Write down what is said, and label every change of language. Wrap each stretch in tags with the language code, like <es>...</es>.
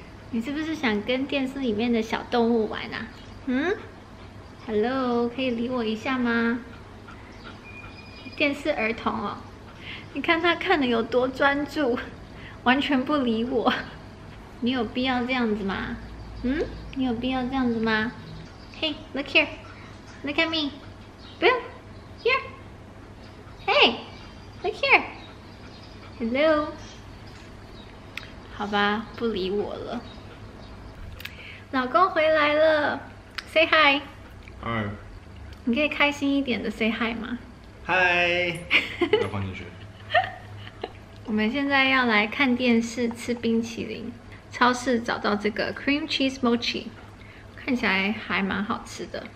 <zh>你是不是想跟电视里面的小动物玩啊？嗯 ，Hello， 可以理我一下吗？电视儿童哦，你看他看得有多专注，完全不理我。你有必要这样子吗？</zh> <en>嗯，</en> <zh>你有必要这样子吗</zh> <en>？Hey， look here， look at me， Bill， here。 Hey， look here， Hello，</en> <zh>好吧，不理我了。老公回来了，</zh> <en>Say hi。 Hi。</en> <zh>你可以开心一点的</zh> <en>Say hi</en> <zh>吗？ Hi。 要放进去。我们现在要来看电视吃冰淇淋，超市找到这个 cream cheese mochi， 看起来还蛮好吃的。</zh>